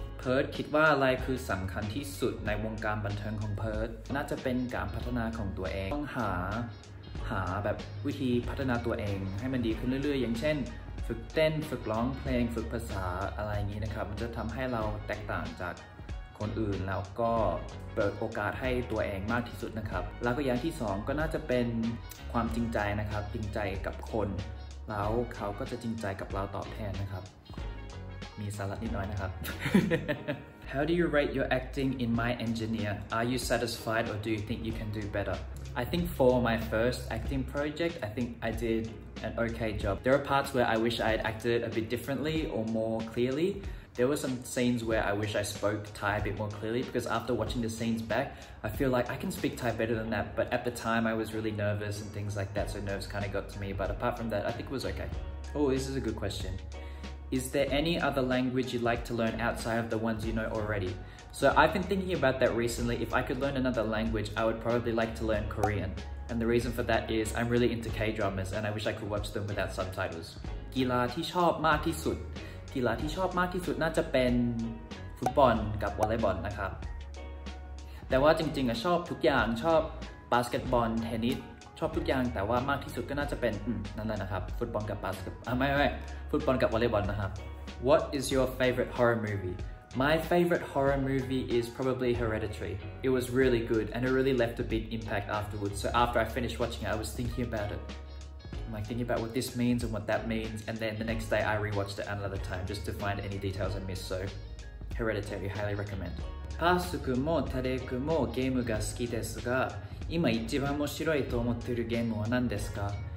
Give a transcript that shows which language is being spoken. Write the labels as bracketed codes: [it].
[th] Perth คิดว่าอะไรคือสำคัญที่สุดในวงการบันเทิงของ Perth น่าจะเป็นการพัฒนาของตัวเองต้องหาแบบวิธีพัฒนาตัวเองให้มันดีขึ้นเรื่อยๆอย่างเช่นฝึกเต้นฝึกร้องเพลงฝึกภาษาอะไรอย่างนี้นะครับมันจะทำให้เราแตกต่างจากคนอื่นแล้วก็เปิดโอกาสให้ตัวเองมากที่สุดนะครับแล้วก็อย่างที่สองก็น่าจะเป็นความจริงใจนะครับจริงใจกับคนแล้วเขาก็จะจริงใจกับเราตอบแทนนะครับมีสาระนิดหน่อยนะครับ [en] How do you rate your acting in My Engineer? Are you satisfied or do you think you can do better? I think for my first acting project, I think I did an okay job. There are parts where I wish I had acted a bit differently or more clearly. There were some scenes where I wish I spoke Thai a bit more clearly because after watching the scenes back, I feel like I can speak Thai better than that. But at the time, I was really nervous and things like that, so nerves kind of got to me. But apart from that, I think it was okay. Oh, this is a good question. Is there any other language you'd like to learn outside of the ones you know already? So I've been thinking about that recently. If I could learn another language, I would probably like to learn Korean. And the reason for that is I'm really into K-dramas and I wish I could watch them without subtitles. [th] กีฬาที่ชอบมากที่สุดกีฬาที่ชอบมากที่สุดน่าจะเป็นฟุตบอลกับวอลเลย์บอลนะครับแต่ว่าจริงๆอ่ะชอบทุกอย่างชอบบาสเกตบอลเทนนิสชอบทุกอย่างแต่ว่ามากที่สุดก็น่าจะเป็นนั่นแหละนะครับฟุตบอลกับบาสเกตไม่ฟุตบอลกับวอลเลย์บอลนะครับ [en] What is your favorite horror movie? My favorite horror movie is probably Hereditary. It was really good and it really left a big impact afterwards. So after I finished watching it, I was thinking about it. I'm like thinking about what this means and what that means, and then the next day I rewatched it another time just to find any details I missed. So, Hereditary, highly recommend. [ja] パース君もタレ君もゲームが好きですが、今一番面白いと思っているゲームは何ですか？